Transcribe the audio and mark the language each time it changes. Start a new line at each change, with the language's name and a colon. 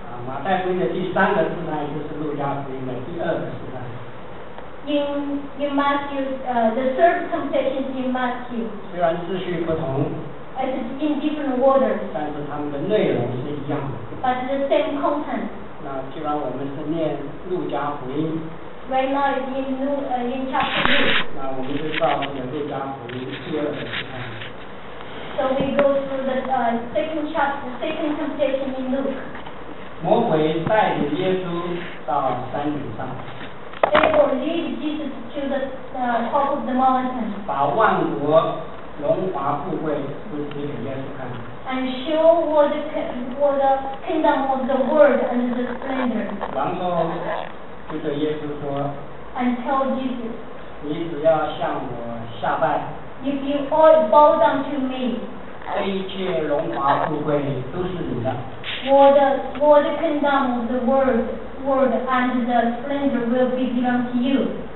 Chinese: 马太福音的第三个试探就是路加福音的第二个试探。
English: In Matthew, the third temptation in Matthew.
Chinese: 虽然次序不同。
English: It's in different waters.
Chinese: 但是他们的内容是一样的。
English: But the same content.
Chinese: 那既然我们是念路加福音。
English: Right now, in chapter Luke.
Chinese: 那我们就到我们路加福音第二个试探。
English: So we go through the second chapter, the second temptation in Luke.
Chinese: 魔鬼带领耶稣到山顶上。
English: They will lead Jesus to the top of the mountain.
Chinese: 把万国荣华富贵都指给耶稣看。
English: And show what the kingdom of the world and the splendor.
Chinese: 然后就对耶稣说。
English: And tell Jesus.
Chinese: 你只要向我下拜。
English: If you all bow down to me,
Chinese: 这一切荣华富贵都是你的。
English: What the kingdom of the world and the splendor will be belong to you.